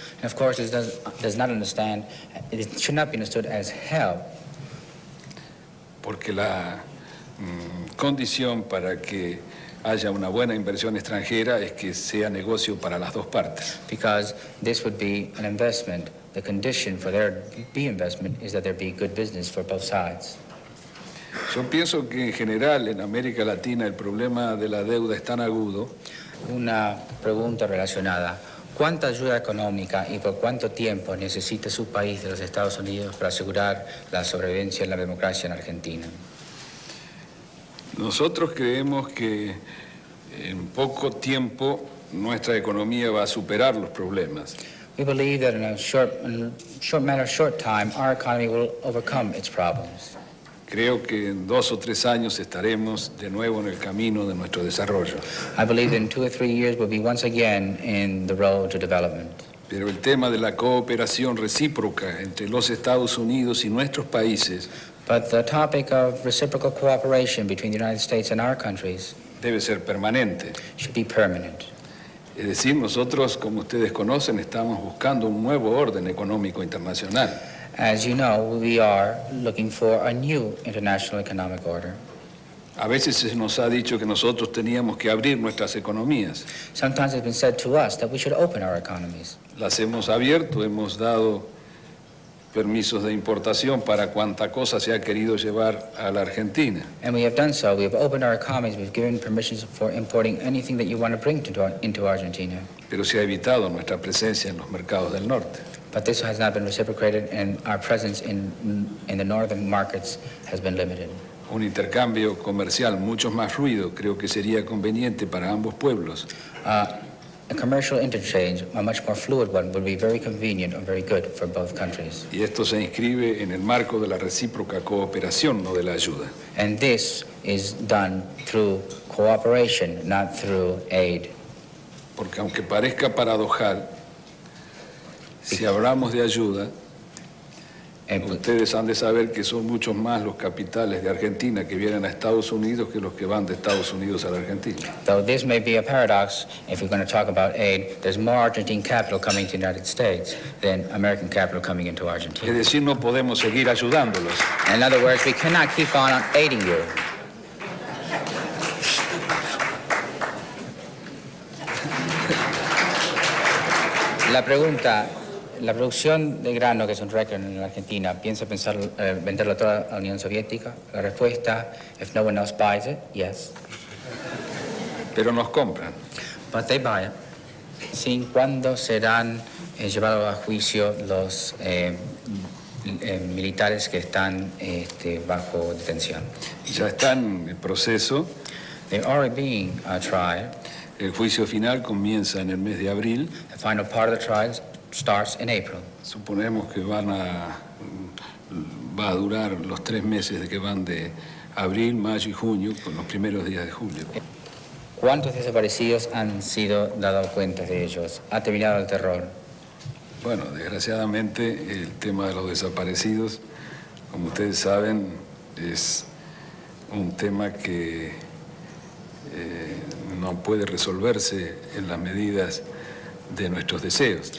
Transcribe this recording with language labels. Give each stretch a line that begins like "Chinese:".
English: And of course, it does not understand, it should not be understood as help.
Spanish: Porque la condición para que haya una buena inversión extranjera es que sea negocio para las dos partes.
English: Because this would be an investment. The condition for there be investment is that there be good business for both sides.
Spanish: Yo pienso que en general en América Latina el problema de la deuda es tan agudo. Una pregunta relacionada. ¿Cuánta ayuda económica y por cuánto tiempo necesita su país de los Estados Unidos para asegurar la sobrevivencia de la democracia en Argentina? Nosotros creemos que en poco tiempo nuestra economía va a superar los problemas.
English: We believe that in a short time our economy will overcome its problems.
Spanish: Creo que en dos o tres años estaremos de nuevo en el camino de nuestro desarrollo.
English: I believe in two or three years we'll be once again in the road to development.
Spanish: Pero el tema de la cooperación recíproca entre los Estados Unidos y nuestros países.
English: But the topic of reciprocal cooperation between the United States and our countries
Spanish: debe ser permanente.
English: Should be permanent.
Spanish: Es decir, nosotros, como ustedes conocen, estamos buscando un nuevo orden económico internacional.
English: As you know, we are looking for a new international economic order.
Spanish: A veces se nos ha dicho que nosotros teníamos que abrir nuestras economías.
English: Sometimes it's been said to us that we should open our economies.
Spanish: Las hemos abierto, hemos dado permisos de importación para cuanta cosa se ha querido llevar a la Argentina.
English: And we have done so. We have opened our economies. We've given permissions for importing anything that you want to bring into Argentina.
Spanish: Pero se ha evitado nuestra presencia en los mercados del norte.
English: But this has not been reciprocated, and our presence in the northern markets has been limited.
Spanish: Un intercambio comercial mucho más fluido creo que sería conveniente para ambos pueblos.
English: A commercial interchange, a much more fluid one, would be very convenient and very good for both countries.
Spanish: Y esto se inscribe en el marco de la recíproca cooperación, no de la ayuda.
English: And this is done through cooperation, not through aid.
Spanish: Porque aunque parezca paradojal, si hablamos de ayuda, ustedes han de saber que son muchos más los capitales de Argentina que vienen a Estados Unidos que los que van de Estados Unidos a la Argentina.
English: Though this may be a paradox, if we're going to talk about aid, there's more Argentine capital coming to the United States than American capital coming into Argentina.
Spanish: Es decir, no podemos seguir ayudándolos.
English: In other words, we cannot keep on aiding you.
Spanish: La producción de grano, que es un récord en la Argentina, ¿piensa pensar venderlo toda a la Unión Soviética? La respuesta,
English: if no one else buys it, yes.
Spanish: Pero nos compran.
English: But they buy it.
Spanish: ¿Sin cuándo serán llevados a juicio los militares que están bajo detención? Ya están en el proceso.
English: They're already being tried.
Spanish: El juicio final comienza en el mes de abril.
English: The final part of the trials starts in April.
Spanish: Suponemos que va a durar los tres meses de que van de abril, mayo y junio, con los primeros días de julio. ¿Cuántos desaparecidos han sido dados cuenta de ellos? ¿Ha terminado el terror? Bueno, desgraciadamente el tema de los desaparecidos, como ustedes saben, es un tema que no puede resolverse en las medidas de nuestros deseos.